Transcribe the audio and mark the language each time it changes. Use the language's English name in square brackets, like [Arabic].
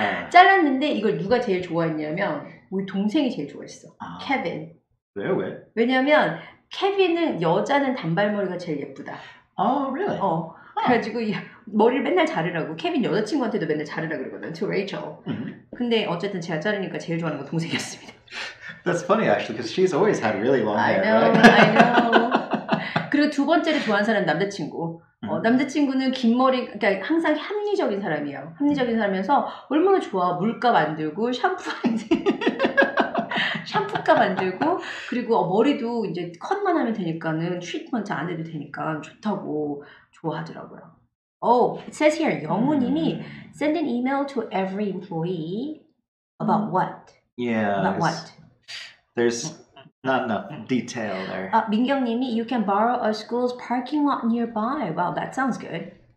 [Korean] 잘랐는데 이걸 누가 제일 좋아했냐면 우리 동생이 제일 좋아했어. 케빈. 왜요? 왜? 왜냐면 케빈은 여자는 단발머리가 제일 예쁘다. [English] Oh, really? [Korean] 그래가지고 머리를 맨날 자르라고 케빈 여자친구한테도 맨날 자르라고 그러거든 [English] to Rachel. [Korean] 근데 어쨌든 제가 자르니까 제일 좋아하는 건 동생이었습니다. [English] That's funny actually because she's always had really long hair. I know, right? I know. [Korean] 그리고 두 번째로 좋아하는 사람은 남자친구. 남자친구는 긴 머리, 그러니까 항상 합리적인 사람이에요. 합리적인 사람이면서 얼마나 좋아 물값 안 들고 샴푸 안 들고 샴푸값 안 들고 그리고 머리도 이제 컷만 하면 되니까는 트리트먼트 안 해도 되니까 좋다고 좋아하더라고요. [English] Oh, it says here, 영우님이 send an email to every employee about what? Yeah. About what? There's not enough detail there. 민경님이 you can borrow a school's parking lot nearby. Wow, that sounds good.